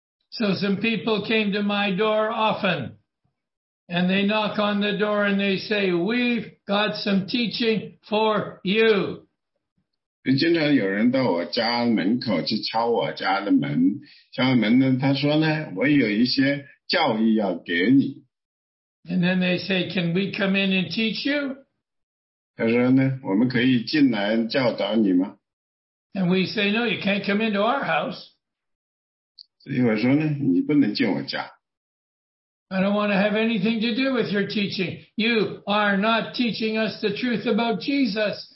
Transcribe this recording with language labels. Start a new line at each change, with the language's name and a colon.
English: So some people came to my door often, and they knock on the door and they say, "We've got some teaching for you."
Chinese: 经常有人到我家门口去敲我家的门，敲门呢，他说呢，我有一些教义要给你。
English: And then they say, "Can we come in and teach you?"
Chinese: 他说呢，我们可以进来教导你吗？
English: And we say, "No, you can't come into our house."
Chinese: 所以我说呢，你不能进我家。
English: I don't want to have anything to do with your teaching. You are not teaching us the truth about Jesus.